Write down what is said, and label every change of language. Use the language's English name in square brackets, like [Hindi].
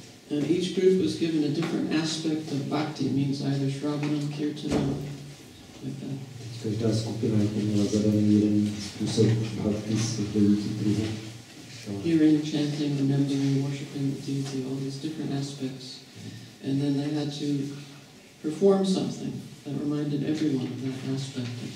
[English] And each group was given a different aspect of bhakti, means either shravanam, kirtanam, like that. [Czech] Každá skupina měla zadaný jeden způsob bhakti s devíti druhy. [English] Hearing, chanting, remembering, worshipping the deity, all these different aspects. And then they had to perform something that reminded everyone of that aspect of